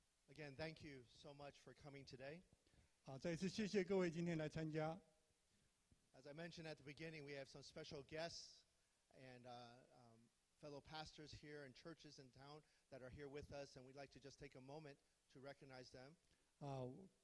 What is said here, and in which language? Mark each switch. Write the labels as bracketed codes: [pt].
[en] Again, thank you so much for coming today. [zh] 再一次谢谢各位今天来参加. [en] As I mentioned at the beginning, we have some special guests and fellow pastors here and churches in town that are here with us, and we'd like to just take a moment to recognize them.